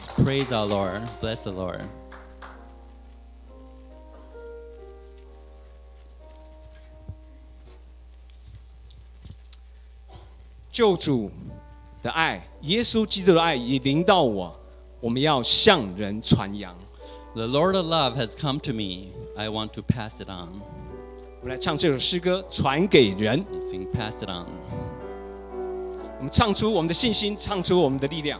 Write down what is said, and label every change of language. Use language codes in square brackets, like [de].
[en] Praise our Lord, bless the Lord. [zh] 救主的爱，耶稣基督的爱已临到我，我们要向人传扬。 [en] The Lord of love has come to me, I want to pass it on. [zh] 我们来唱这首诗歌，传给人。 [en] Sing, pass it on. [zh] 我们唱出我们的信心，唱出我们的力量。